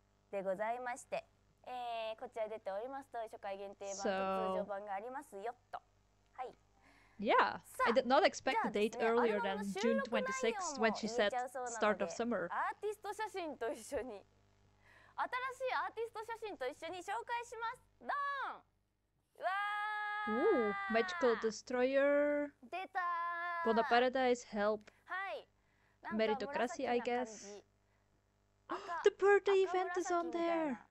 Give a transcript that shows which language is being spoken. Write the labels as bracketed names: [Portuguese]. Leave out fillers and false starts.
[Japanese] でございまして、こちら出ておりますと初回限定版と通常版がありますよと。はい。 [English] Yeah, I did not expect the date earlier than June 26th when she said start of summer. [Japanese] アーティスト写真と一緒に。新しいアーティスト写真と一緒に紹介します。ドン！わー！ [English] Ooh, Magical Destroyer. [Japanese] 出たー！ [English] Bona Paradise, Help. [Japanese] はい。 [English] メリトクラシー、I guess. The birthday event is on there.